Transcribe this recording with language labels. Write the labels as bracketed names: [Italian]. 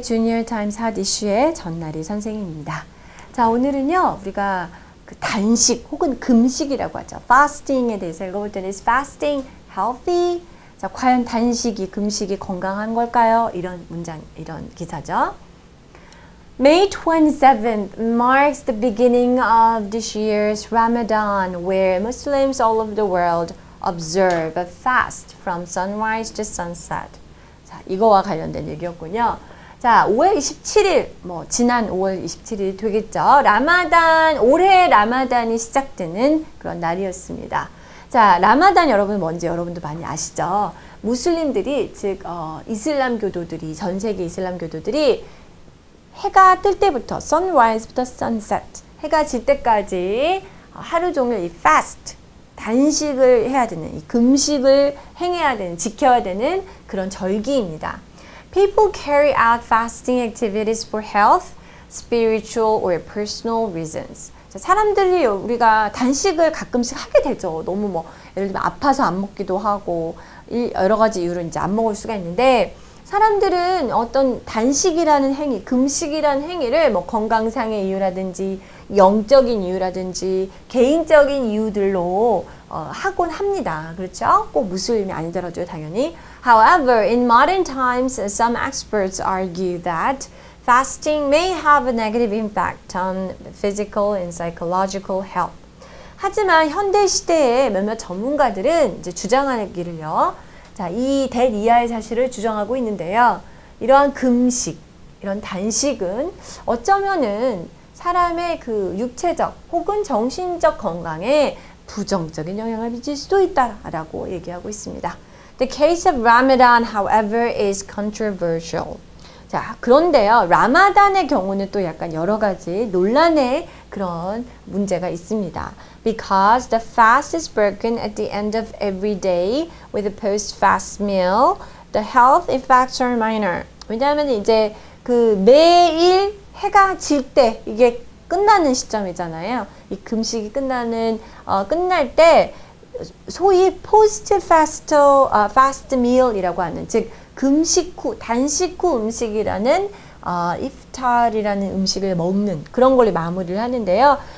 [Korean] 주니어 타임스 핫 이슈의 전나리 선생님입니다. 자, 오늘은요. 우리가 그 단식 혹은 금식이라고 하죠. [English] Fasting에 [Korean] 대해서 읽어볼 텐데, [English] Is fasting healthy? [Korean] 자, 과연 단식이, 금식이 건강한 걸까요? 이런 문장, 이런 기사죠. [English] May 27th marks the beginning of this year's Ramadan, where Muslims all over the world observe a fast from sunrise to sunset. [Korean] 자, 이거와 관련된 얘기였군요. 자, 5월 27일, 뭐 지난 5월 27일 되겠죠. 라마단, 올해 라마단이 시작되는 그런 날이었습니다. 자, 라마단 여러분 뭔지 여러분도 많이 아시죠? 무슬림들이, 즉 이슬람교도들이, 전 세계 이슬람교도들이 해가 뜰 때부터, sunrise부터 sunset, 해가 질 때까지 하루 종일 이 fast, 단식을 해야 되는, 이 금식을 행해야 되는, 지켜야 되는 그런 절기입니다. [English] People carry out fasting activities for health, spiritual or personal reasons. [Korean] 자, 사람들이 우리가 단식을 가끔씩 하게 되죠. 너무 뭐 예를 들면 아파서 안 먹기도 하고 이 여러 가지 이유로 이제 안 먹을 수가 있는데 사람들은 어떤 단식이라는 행위, 금식이라는 행위를 뭐 건강상의 이유라든지 영적인 이유라든지 개인적인 이유들로 하곤 합니다. 그렇죠? 꼭 무슬림이 아니더라도요, 당연히. [English] However, in modern times, some experts argue that fasting may have a negative impact on physical and psychological health. [Korean] 하지만 현대 시대에 몇몇 전문가들은 이제 주장하기를요. 자, 이 댓 이하의 사실을 주장하고 있는데요. 이러한 금식, 이런 단식은 어쩌면은 사람의 그 육체적 혹은 정신적 건강에 부정적인 영향을 미칠 수도 있다라고 얘기하고 있습니다. [English] The case of Ramadan, however, is controversial. [Korean] 자, 그런데요. 라마단의 경우는 또 약간 여러 가지 논란의 그런 문제가 있습니다. [English] Because the fast is broken at the end of every day with a post-fast meal, the health effects are minor. [Korean] 왜냐하면 이제 그 매일 해가 질 때 이게 끝나는 시점이잖아요. 이 금식이 끝나는 끝날 때 소위 post-fast meal이라고 하는 즉 금식 후 단식 후 음식이라는 이프타르라는 음식을 먹는 그런 걸로 마무리를 하는데요.